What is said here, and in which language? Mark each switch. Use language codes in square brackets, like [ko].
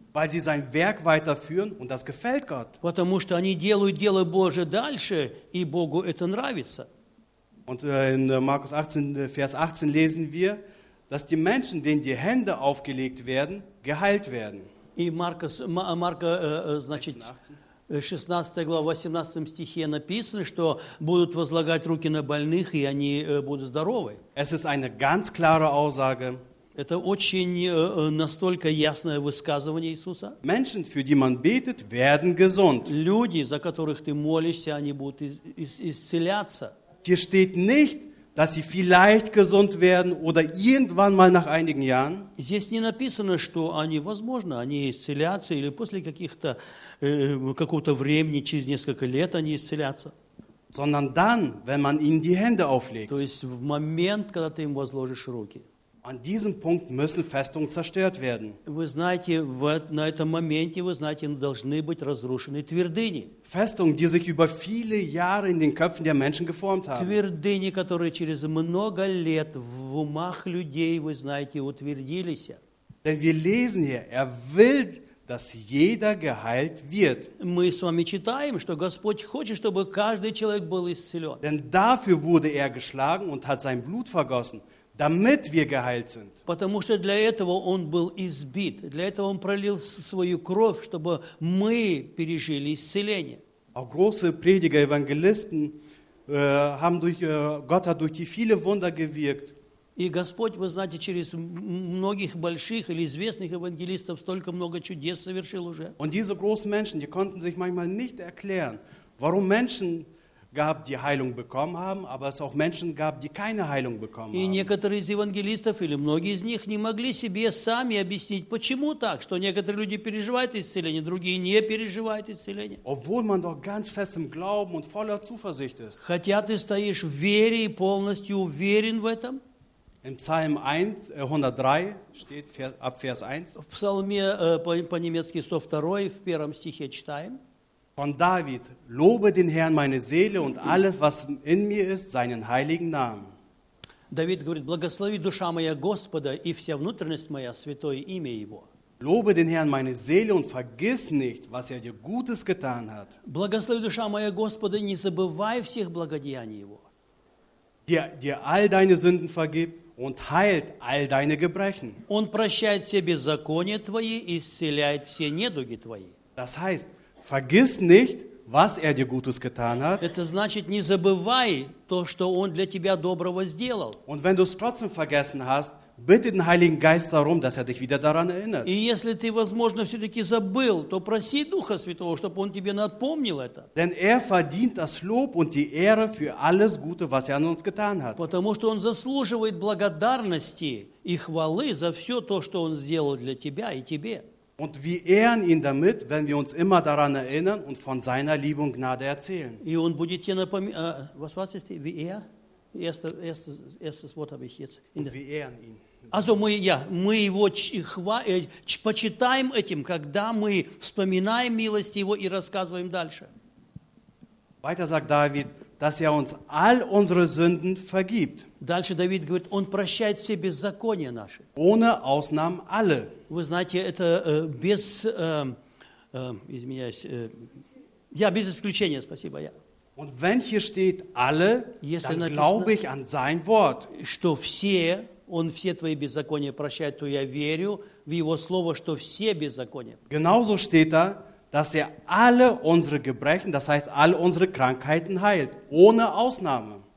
[de] Weil sie sein Werk weiterführen und das gefällt Gott. [ru] Потому что они делают дело Божие дальше, и Богу это нравится. [de] Und in Markus 18, Vers 18 lesen wir, dass die Menschen, denen die Hände aufgelegt werden, geheilt werden. [ru] И Марка, значит... 16 глава, 18 стихе написано, что будут возлагать руки на больных, и они будут здоровы. [de] Es ist eine ganz klare Aussage. [ru] Это очень настолько ясное высказывание Иисуса. [de] Menschen, für die man betet, werden gesund. [ru] Люди, за которых ты молишься, они будут исцеляться. [de] Hier steht nicht, dass sie vielleicht gesund werden oder irgendwann mal nach einigen Jahren. [ru] Здесь не написано, что они, возможно, они исцелятся или после каких-то какого-то времени, через несколько лет они исцелятся. [de] Sondern dann, wenn man ihnen die Hände auflegt. [ru] То есть в момент, когда ты им возложишь руки. [de] An diesem Punkt müssen Festungen zerstört werden. [ru] Вы знаете, вот на этом моменте, вы знаете, должны быть разрушены твердыни. [de] Festungen, die sich über viele Jahre in den Köpfen der Menschen geformt haben. [ru] Твердыни, которые через много лет в умах людей, вы знаете, утвердились. [de] Denn wir lesen hier, er will, dass jeder geheilt wird. [ru] Мы с вами читаем, что Господь хочет, чтобы каждый человек был исцелен. [de] Denn dafür wurde er geschlagen und hat sein Blut vergossen, damit wir geheilt sind. [ru] Потому что для этого он был избит, для этого он пролил свою кровь, чтобы мы пережили исцеление. [de] Auch große Prediger, Evangelisten Gott hat durch die viele Wunder gewirkt. [ru] И Господь, вы знаете, через многих больших или известных евангелистов столько много чудес совершил уже. [de] Und diese großen Menschen, die konnten sich manchmal nicht erklären, warum Menschen gab, die Heilung bekommen haben, aber es auch Menschen gab, die keine Heilung bekommen haben. [ru] И некоторые из евангелистов или многие из них не могли себе сами объяснить, почему так, что некоторые люди переживают исцеление, другие не переживают исцеление. [de] Obwohl man doch ganz fest im Glauben und voller Zuversicht ist. [ru] Хотя ты стоишь в вере и полностью уверен в этом. [de] In Psalm 103 steht ab Vers 1. [ru] В псалме по-немецки 102 в первом стихе читаем. [de] Von David: Lobe den Herrn, meine Seele, und alles, was in mir ist, seinen heiligen Namen. [ru] David говорит: Благослови душа моя Господа и вся внутренность моя святое имя Его. [de] Lobe den Herrn, meine Seele, und vergiss nicht, was er dir Gutes getan hat. [ru] Благослови душа моя Господа, не забывай всех благодеяний Его. [de] Dir all deine Sünden vergibt und heilt all deine Gebrechen. [ru] Он прощает все беззакония твои и исцеляет все недуги твои. [de] Das heißt, vergiss nicht, was er dir Gutes getan hat. [ru] Это значит, не забывай то, что он для тебя доброго сделал. [de] Und wenn du es trotzdem vergessen hast, bitte den Heiligen Geist darum, dass er dich wieder daran erinnert. [ru] И если ты, возможно, все-таки забыл, то проси Духа Святого, чтобы он тебе напомнил это. [de] Denn er verdient das Lob und die Ehre für alles Gute, was er an uns getan hat. [ru] Потому что он заслуживает благодарности и хвалы за все то, что он сделал для тебя и тебе. [de] Und wir ehren ihn damit, wenn wir uns immer daran erinnern und von seiner Liebe und Gnade erzählen. [ru] И он будет тебе напоминать, [de] was war es, wie er? Erstes Wort habe ich jetzt. Und wir ehren ihn. Also [ru] мы его почитаем этим, когда мы вспоминаем милость его и рассказываем дальше. [de] Weiter sagt David, dass er uns all unsere Sünden vergibt. [ru] Дальше Давид говорит, он прощает все беззакония наши. [de] Ohne Ausnahmen alle. [ru] Вы знаете, это без исключения, спасибо, я. [de] Und wenn hier steht alle, [ru] если [de] dann [ru] написано, [de] glaube ich an sein Wort. [ru] Что все, он все твои беззакония прощает, то я верю в его слово, что все беззакония. [de] Genauso steht da, dass er alle unsere Gebrechen, das heißt all unsere Krankheiten heilt, ohne Ausnahme.